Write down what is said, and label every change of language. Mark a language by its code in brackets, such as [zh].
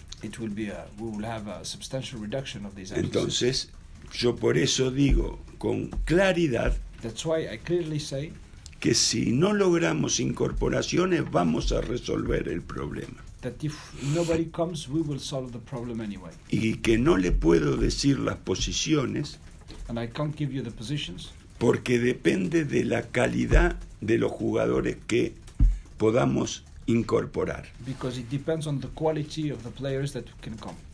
[en] It will be we will have a substantial reduction of these absences. [es] Entonces, yo por eso digo con claridad, [en] that's why I clearly say, [es] que si no logramos incorporaciones vamos a resolver el problema. [en] That if nobody comes, we will solve the problem anyway. [es] Y que no le puedo decir las posiciones, [en] and I can't give you the positions, [es] porque depende de la calidad de los jugadores que podamos incorporar. [en] Because it depends on the quality of the players that can come.